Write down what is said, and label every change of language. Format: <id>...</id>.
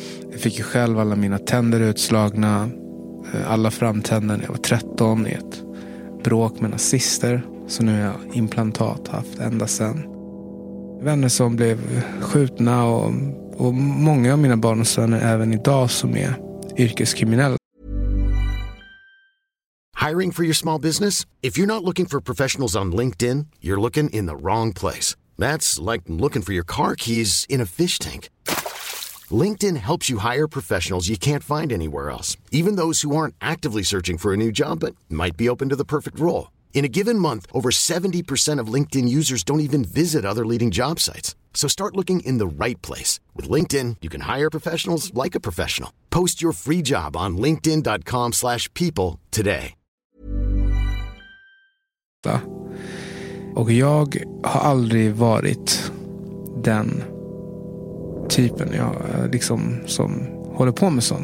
<sv>Jag fick ju själv alla mina tänder utslagna, alla framtänder när jag var 13 i ett bråk med nazister. Så nu har jag implantat haft ända sedan. Vänner som blev skjutna och många av mina barnsvänner även idag som är yrkeskriminella.</sv> <en>Hiring for your small business? If you're not looking for professionals on LinkedIn, you're looking in the wrong place. That's like looking for your car keys in a fish tank. LinkedIn helps you hire professionals you can't find anywhere else, even those who aren't actively searching for a new job but might be open to the perfect role. In a given month, over 70% of LinkedIn users don't even visit other leading job sites. So start looking in the right place. With LinkedIn, you can hire professionals like a professional. Post your free job on linkedin.com/people today.</en> <sv>Och jag har aldrig varit den typen jag liksom som håller på med sånt.</sv>